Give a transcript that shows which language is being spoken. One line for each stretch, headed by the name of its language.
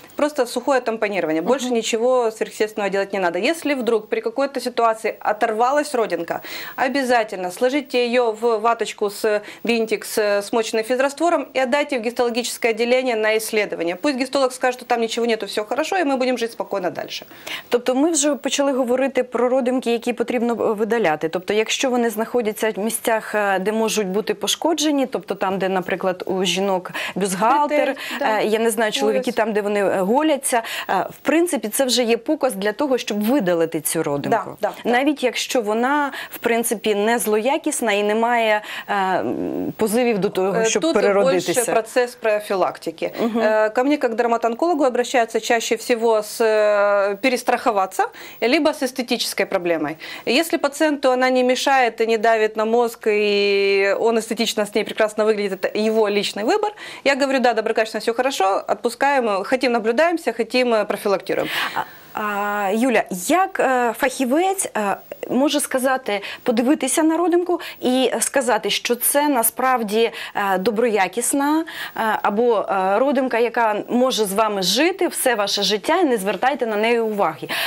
Russian: Просто сухое тампонирование. Больше ничего сверхъестественного делать не надо. Если вдруг при какой-то ситуации оторвалась родинка, обязательно сложите ее в ваточку с винтик, с смоченным физраствором и отдайте в гистологическое отделение на исследование. Пусть гистолог скажет, что там ничего нету, все хорошо, и мы будем жить спокойно дальше.
Ukrainian: Тобто ми вже почали говорити про родимки, які потрібно видаляти. Тобто якщо вони знаходяться в місцях, де можуть бути пошкоджені, тобто там, де, наприклад, у жінок бюстгальтер, да, я не знаю, чоловіки там, де вони голяться, в принципі, це вже є показ для того, щоб видалити цю родимку.
Russian: Да, да,
Ukrainian: навіть якщо вона, в принципі, не злоякісна і немає позивів до того, щоб тут переродитися. Тут більше процес профілактики.
Russian: Угу. Ко
Ukrainian: мені, як
Russian: дерматонкологу, обращаються чаще всего з перестраховаться, либо с эстетической проблемой. Если пациенту она не мешает и не давит на мозг, и он эстетично с ней прекрасно выглядит, это его личный выбор, я говорю, да, доброкачественно, все хорошо, отпускаем, хотим наблюдаемся, хотим профилактируем.
Ukrainian: Юля, як фахівець може сказати, подивитися на родинку і сказати, що це насправді доброякісна або родинка, яка може з вами жити все ваше життя і не звертайте на неї уваги.